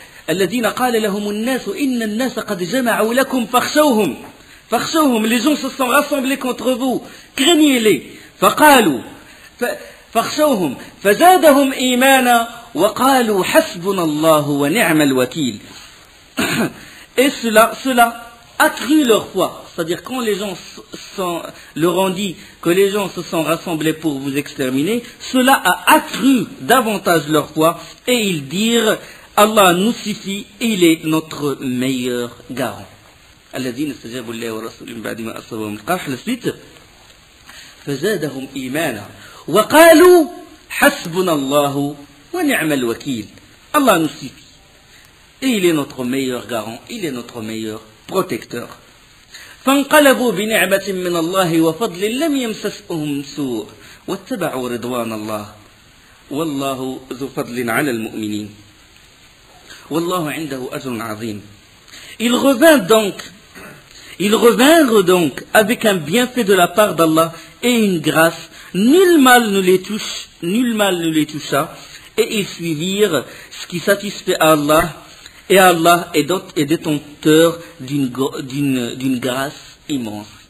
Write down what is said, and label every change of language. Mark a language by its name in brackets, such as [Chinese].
[Arabic] الذين قال لهم الناس إن الناس قد جمعوا لكم فخشوهم [French] les gens se sont rassemblés contre vous craignez-les [Arabic] فقالوا فاخشوهم فزادهم إيمانا وقالوا حسبنا الله ونعم الوكيل. [French] Et cela accrut leur foi. C'est-à-dire, quand les gens leur ont dit que les gens se sont rassemblés pour vous exterminer, cela a accru davantage leur foi et ils dirent, Allah nous suffit, il est notre meilleur garant. [Arabic] الذين استجابوا لله ورسوله بعد ما أصابهم القرح لسيت فزادهم إيمانا وقالوا حسبنا الله ونعم الوكيل الله نسيك إلى [French] notre meilleur garant [Arabic] إلى [French] notre meilleur protecteur. [Arabic] فانقلبوا بنعمة من الله وفضل لم يمسسهم سوء واتبعوا رضوان الله والله ذو فضل على المؤمنين والله عنده أجر عظيم. [French] Il revint donc Ils revinrent donc avec un bienfait de la part d'Allah et une grâce. Nul mal ne les toucha, et ils suivirent ce qui satisfait Allah, et Allah est détenteur d'une grâce immense.